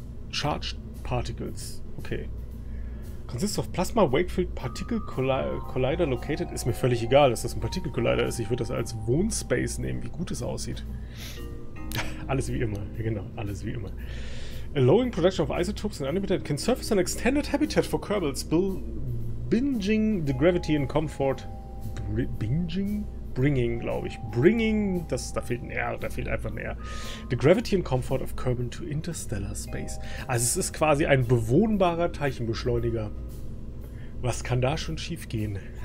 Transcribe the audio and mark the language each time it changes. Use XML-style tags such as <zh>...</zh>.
<en>Charged Particles. Okay. Consists of Plasma Wakefield Particle Collider located.</en> <de>Ist mir völlig egal, dass das ein Particle Collider ist. Ich würde das als Wohnspace nehmen, wie gut es aussieht. Alles wie immer. Ja, genau, alles wie immer.</de> <en>Allowing production of isotopes and unlimited can surface an extended habitat for Kerbals, binging the gravity and comfort.</en> <de>Binging? Bringing, glaube ich. Bringing, das, da fehlt ein R, da fehlt einfach ein R.</de> <en>The gravity and comfort of Kerbin to interstellar space.</en> <de>Also es ist quasi ein bewohnbarer Teilchenbeschleuniger. Was kann da schon schief gehen?</de>